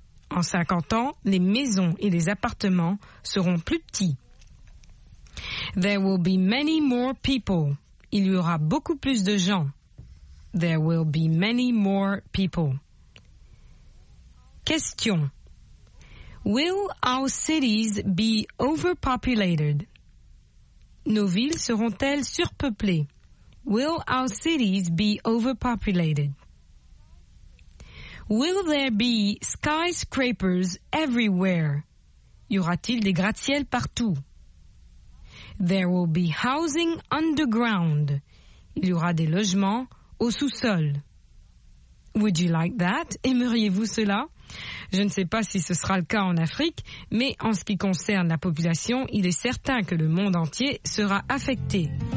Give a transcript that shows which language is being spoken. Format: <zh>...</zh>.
<fr>En 50 ans, les maisons et les appartements seront plus petits.</fr> <en>There will be many more people.</en> <fr>Il y aura beaucoup plus de gens.</fr> <en>There will be many more people. Question. Will our cities be overpopulated?</en> <fr>Nos villes seront-elles surpeuplées?</fr> <en>Will our cities be overpopulated? Will there be skyscrapers everywhere?</en> <fr>Y aura-t-il des gratte-ciel partout?</fr> <en>There will be housing underground.</en> <fr>Il y aura des logements au sous-sol.</fr> <en>Would you like that?</en> <fr>Aimeriez-vous cela? Je ne sais pas si ce sera le cas en Afrique, mais en ce qui concerne la population, il est certain que le monde entier sera affecté.</fr>